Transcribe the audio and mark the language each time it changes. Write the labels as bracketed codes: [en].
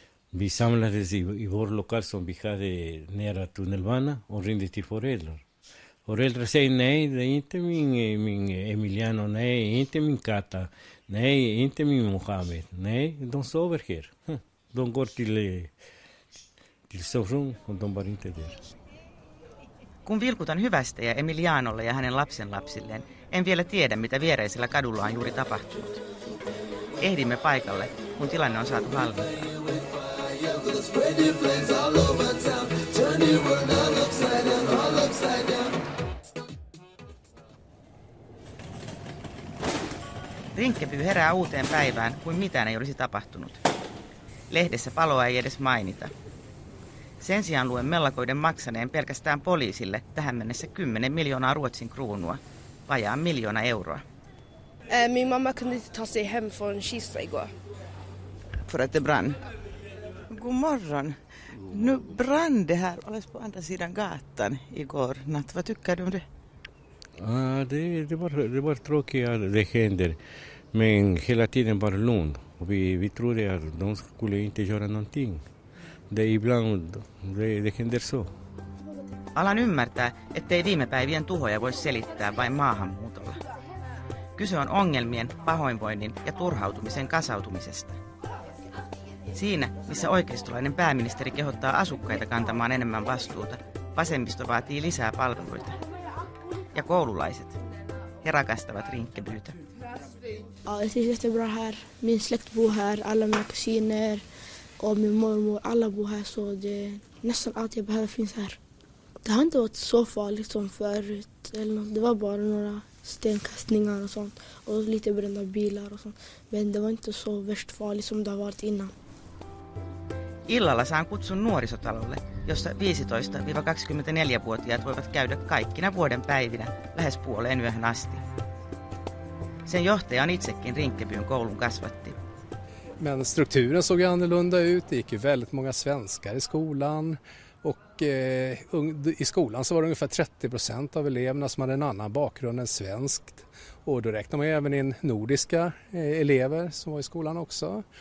[sv] Vi samlades i vår lokal som vi hade nära tunnelbana och ringde till föräldrar. Föräldrar säger nej, det är inte min Emiliano, nej, inte min Kata, nej, inte min Mohammed, nej, de sover här. De går till sovrum och de var inte där. [fi] Kun vilkutan hyvästejä Emilianolle ja hänen lapsenlapsilleen, en vielä tiedä, mitä viereisellä kadulla on juuri tapahtunut. Ehdimme paikalle, kun tilanne on saatu hallintaan. Rinkeby herää uuteen päivään, kuin mitään ei olisi tapahtunut. Lehdessä paloa ei edes mainita. Sen sijaan luen mellakoiden maksaneen pelkästään poliisille tähän mennessä 10 miljoonaa Ruotsin kruunua, vajaa 1 000 000 euroa. [sv] Min mamma kunde inte ta sig hem från Kista igår. För att det brann. God morgon. Nu brann det här alldeles på andra sidan gatan igår natt. Vad tycker du om det? Det var tråkigt att det hände. Men hela tiden var lugnt. Vi trodde att de skulle inte göra någonting. Det är ibland det händer så. [fi] Alan ymmärtää, ettei viime päivien tuhoja voi selittää vain maahanmuutolla. Kyse on ongelmien, pahoinvoinnin ja turhautumisen kasautumisesta. Siinä, missä oikeistolainen pääministeri kehottaa asukkaita kantamaan enemmän vastuuta, vasemmisto vaatii lisää palveluita. Ja koululaiset, he rakastavat Rinkebytä. [sv] Siis det är bra här. Min släkt bor här, alla mina kusiner. Och min mormor, alla bor här, så det är nästan allt jag behöver finns här. Det har inte varit så farligt som förut. Eller något. Det var bara några stenkastningar och sånt. Och lite brända bilar och sånt. Men det var inte så värst farligt som det har varit innan. [fi] Illalla saan kutsun nuorisotalolle, jossa 15-24-vuotiaat voivat käydä kaikkina vuoden päivinä lähes puoleen yöhön asti. Sen johtaja on itsekin Rinkebyn koulun kasvatti. [sv] Men strukturen såg annorlunda ut. Det gick ju väldigt många svenskar i skolan. Och i skolan så var det ungefär 30% av eleverna som hade en annan bakgrund än svenskt. Och då räknar man även in nordiska elever som var i skolan också.